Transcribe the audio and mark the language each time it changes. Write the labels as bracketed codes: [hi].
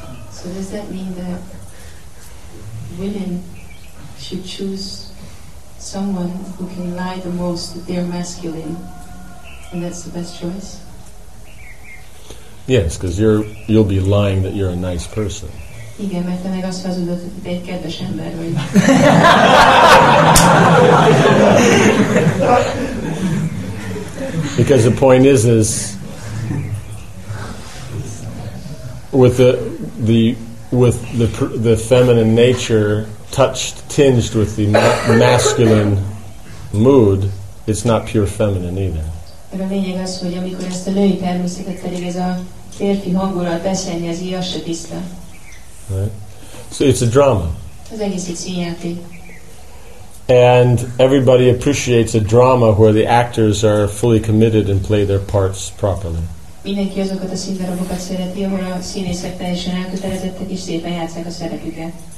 [en] So does that mean that women should choose someone who can lie the most, that they're masculine, and that's the best choice? Yes, because you'll be lying that you're a nice person. [hu] Igen, mert te meg azt hazudod, hogy te egy kedves ember vagy. [en] Because the point is with the feminine nature touched, tinged with the masculine mood, it's not pure feminine either. [hu] De a lényeg az, hogy amikor ezt a női természetet pedig ez a férfi hangulat beszennyezi, az se tiszta. [en] Right? So it's a drama. [hu] Az egész egy színjáték. [en] And everybody appreciates a drama where the actors are fully committed and play their parts properly. [hu] Mindenki azokat a színdarabokat szereti, ahol a színészek teljesen elkötelezettek és szépen játsszák a szerepüket.